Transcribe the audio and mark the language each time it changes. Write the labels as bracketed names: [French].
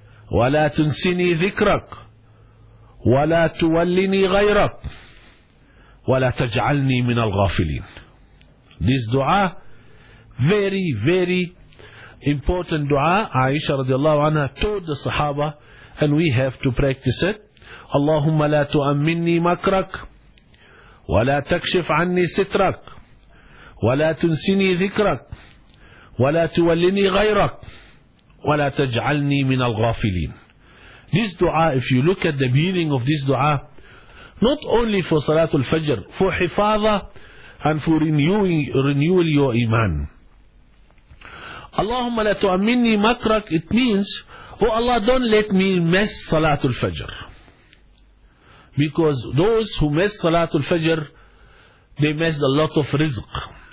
[Arabic] Wa la tunsini dhikrak. Wa la tuwallini ghayrak. وَلَا تَجْعَلْنِي مِنَ الْغَافِلِينَ. [English] This dua, very, very important dua, Aisha radiallahu anha told the Sahaba, and we have to practice it. [Arabic] اللهم لا تؤمني مكرك ولا تكشف عني سترك ولا تنسني ذكرك ولا تولني غيرك ولا تجعلني من الغافلين. [English] This dua, if you look at the meaning of this dua, not only for Salatul Fajr, for Hifadha and for renewing your Iman. [Arabic] Allahumma la tu'minni makrak, [English] it means, Oh Allah, don't let me miss Salatul Fajr. Because those who miss Salatul Fajr, they miss a lot of rizq.